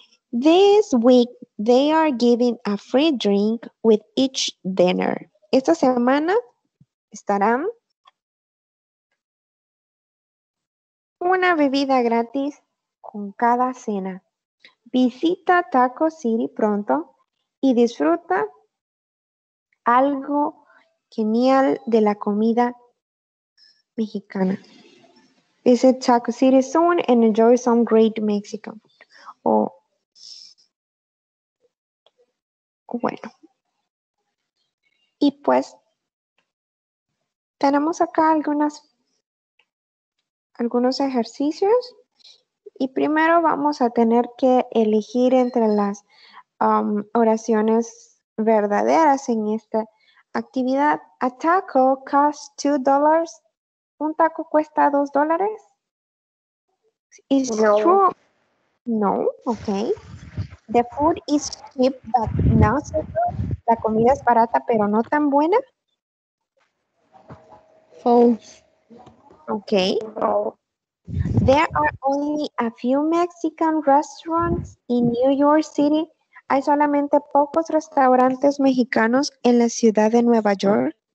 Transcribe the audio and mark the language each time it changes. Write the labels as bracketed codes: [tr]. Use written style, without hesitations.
[en] This week they are giving a free drink with each dinner. [es] Esta semana estarán una bebida gratis con cada cena. Visita Taco City pronto y disfruta algo genial de la comida mexicana. [en] Visit Taco City soon and enjoy some great Mexican food. Oh. [es] Bueno. Y pues, tenemos acá algunos ejercicios. Y primero vamos a tener que elegir entre las oraciones verdaderas en esta actividad. [en] A taco costs $2. [es] ¿Un taco cuesta $2? [en] Is no. True? No, okay. The food is cheap, but not so good. [es] La comida es barata, pero no tan buena. [en] False. Okay. There are only a few Mexican restaurants in New York City. [es] Hay solamente pocos restaurantes mexicanos en la ciudad de Nueva York.